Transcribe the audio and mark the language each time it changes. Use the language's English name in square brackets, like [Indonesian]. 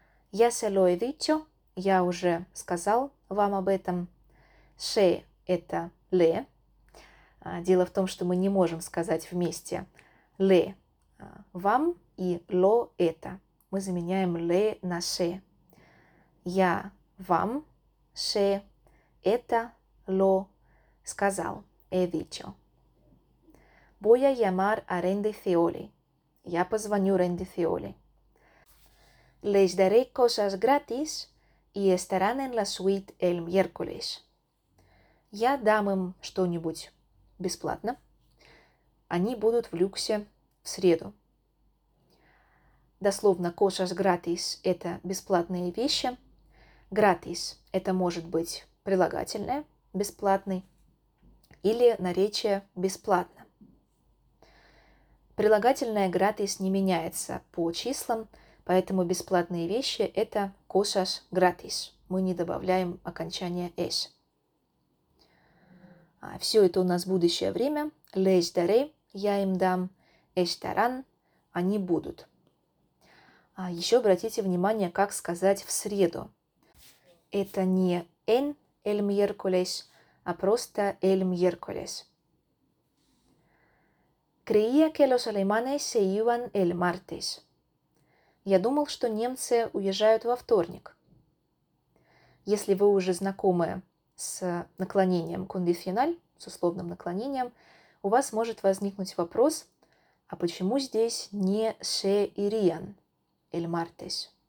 [Spanish] Ya se lo he dicho, [Russian] я уже сказал вам об этом. Se – это le. Дело в том, что мы не можем сказать вместе le – вам и lo – это. Мы заменяем le на se. Я вам. [Spanish] Se это lo сказал, he dicho. Voy a llamar a Randy Feoli. [Russian] Я позвоню Randy Feoli. [Spanish] Les daré cosas gratis y estarán en la suite el miércoles. [Russian] Я дам им что-нибудь бесплатно. Они будут в люксе в среду. Дословно, cosas gratis – это бесплатные вещи. Gratis – это может быть прилагательное, бесплатный, или наречие бесплатно. Прилагательное gratis не меняется по числам, поэтому бесплатные вещи – это cosas gratis. Мы не добавляем окончание es. А все это у нас будущее время. Les daré – я им дам. Estarán – они будут. А еще обратите внимание, как сказать «в среду». [Spanish] Это не en el miércoles, [Russian] а просто [Spanish] el miércoles. Creía que los alemanes se iban el martes. [Russian] Я думал, что немцы уезжают во вторник. Если вы уже знакомы с наклонением condicional, с условным наклонением, у вас может возникнуть вопрос, а почему здесь не [Spanish] «se irían» el martes?